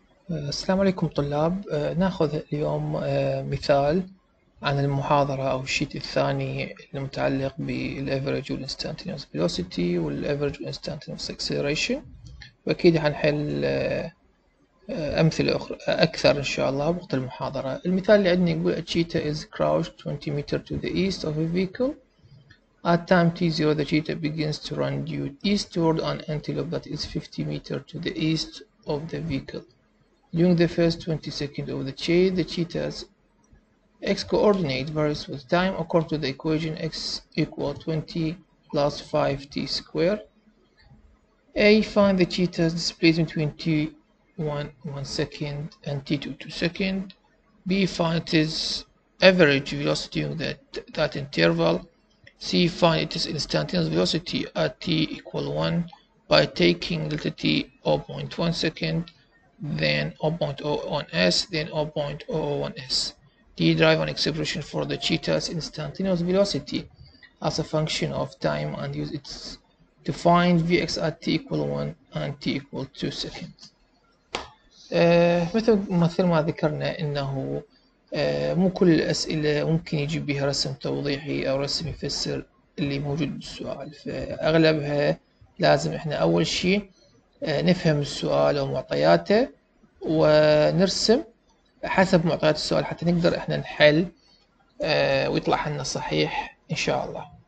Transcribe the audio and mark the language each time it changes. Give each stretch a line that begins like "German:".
Arabic: السلام عليكم طلاب، ناخذ اليوم مثال عن المحاضرة أو الشيت الثاني المتعلق بالـ Average والـ Instantaneous Velocity والـ Average والـ Instantaneous Acceleration، وأكيد حنحل أمثلة أخرى أكثر إن شاء الله وقت المحاضرة. المثال اللي عندنا يقول
English: A cheetah is crouched 20 meters to the east of a vehicle. At time t0, the cheetah begins to run due eastward on antelope that is 50 meters to the east of the vehicle. During the first 20 seconds of the chase, the cheetah's x coordinate varies with time according to the equation x equal 20 plus 5 t squared. A. Find the cheetah's displacement between t1 1 second and t2 2 second. B. Find its average velocity during that interval. C. Find its instantaneous velocity at t equal 1 by taking delta t 0.1 second. Then 0.01s, then 0.001s. D. Derive an expression for the cheetah's instantaneous velocity as a function of time and use it to find vx at t equal 1 and t equal 2 seconds.
Arabic: مثل ما ذكرنا انه مو كل الاسئله ممكن يجيب بها رسم توضيحي او رسم يفسر اللي موجود بالسؤال، فاغلبها لازم احنا اول شيء نفهم السؤال ومعطياته ونرسم حسب معطيات السؤال حتى نقدر احنا نحل ويطلع حلنا صحيح ان شاء الله.